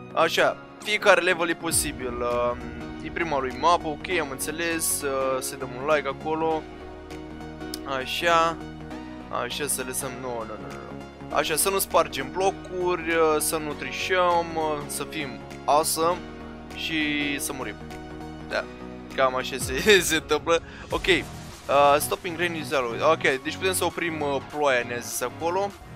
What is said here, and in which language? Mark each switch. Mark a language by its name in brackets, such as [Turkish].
[Romanian] Așa, fiecare level e posibil. E prima lui mapă, ok, am înțeles. Să dăm un like acolo. Așa. Așa, să lăsăm. Nu, nu, nu, nu. Așa, să nu spargem blocuri, să nu trișăm, să fim awesome și să murim. Da, cam așa se întâmplă. [English] Ok, stopping rain is yellow. [Romanian] Ok, deci putem să oprim ploaia, ne-a zis acolo.